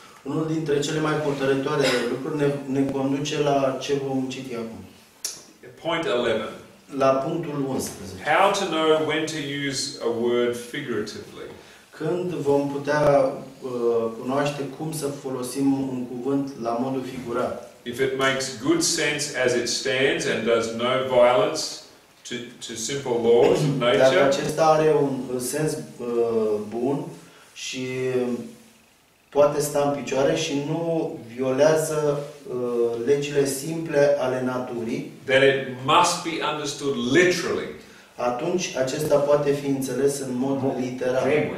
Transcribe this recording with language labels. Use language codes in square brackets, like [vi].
[ro] Unul dintre cele mai hotărătoare lucruri ne conduce la ce vom citi acum. [en] Point 11. [ro] La punctul 11. [en] How to know when to use a word figuratively? [ro] Când vom putea cunoaște cum să folosim un cuvânt la modul figurat? [en] If it makes good sense as it stands and does no violence to simple laws of nature. [ro] Dacă acesta are un sens bun și poate sta în picioare și nu violează legile simple ale naturii. [en] That it must be understood literally. [ro] Atunci acesta poate fi înțeles în mod literal.